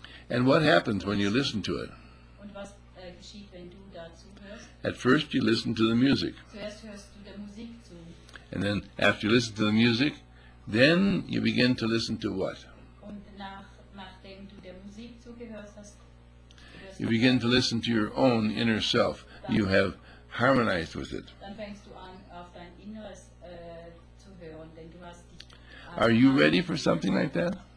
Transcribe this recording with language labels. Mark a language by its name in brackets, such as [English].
[English] And what happens when you listen to it? [German] Und was geschieht, wenn du dazu hörst? [English] At first you listen to the music. [German] Zuerst hörst du der Musik zu. [English] And then after you listen to the music, then you begin to listen to what? [German] Nachdem du der Musik zugehört hast, [English] you begin to listen to your own inner self. You have harmonized with it. [German] Dann fängst du an, auf dein Inneres zu hören, denn du hast dich. [English] Are you ready for something like that?